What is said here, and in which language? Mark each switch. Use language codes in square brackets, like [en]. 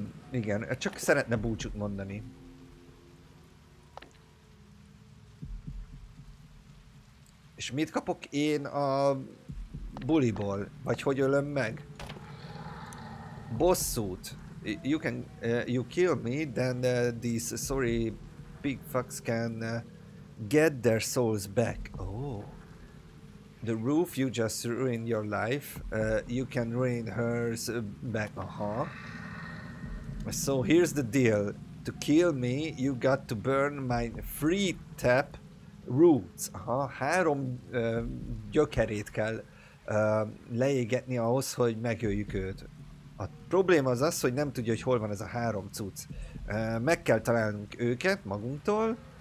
[hu] Igen, csak szeretne búcsút mondani. És mit kapok én a buliból? Vagy hogy ölöm meg? Bosszút. [en] You can, you kill me, then these sorry pig fucks can get their souls back. Oh. The roof, you just ruined your life. You can ruin hers back. Aha. So here's the deal. To kill me, you got to burn my three tap roots. [hu] Aha, három gyökerét kell leégetni ahhoz, hogy megöljük őt. A probléma az az, hogy nem tudja, hogy hol van ez a három cucc. Meg kell találnunk őket magunktól.